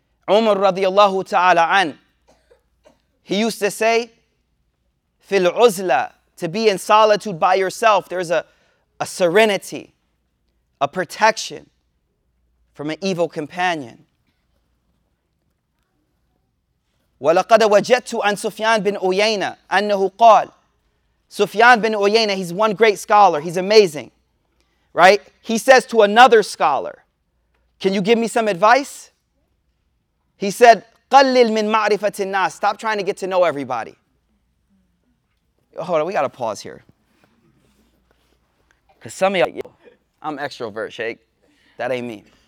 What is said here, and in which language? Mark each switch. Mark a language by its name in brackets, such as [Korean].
[English] Umar radiallahu ta'ala an, he used to say, fil uzla, to be in solitude by yourself, there's a serenity, a protection from an evil companion. [Arabic] وَلَقَدَ وَجَدْتُ عَنْ سُفْيَانْ بِنْ أُيَيْنَ أَنَّهُ قَالْ [English] Sufyan bin Uyayna, he's one great scholar. He's amazing, right? He says to another scholar, can you give me some advice? He said, [Arabic] قَلِّلْ مِنْ مَعْرِفَةِ النَّاسِ [English] Stop trying to get to know everybody. Hold on, we got to pause here. Because some of y'all, I'm extrovert, Sheikh. That ain't me.